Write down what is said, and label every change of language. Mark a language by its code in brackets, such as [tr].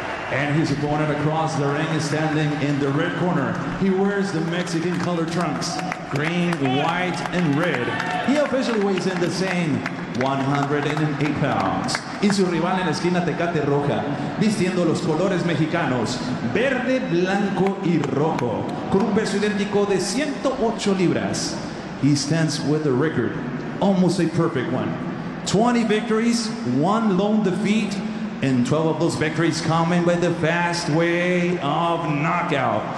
[en] And his opponent across the ring is standing in the red corner. He wears the Mexican color trunks, green, white, and red. He officially weighs in the same 108 pounds. [es] Y su rival en la esquina Tecate Roja, vistiendo los colores mexicanos, verde, blanco, y rojo, con un peso idéntico de 108 libras. [en] He stands with a record, almost a perfect one. 20 victories, one lone defeat, and 12 of those victories coming by the fast way of knockout.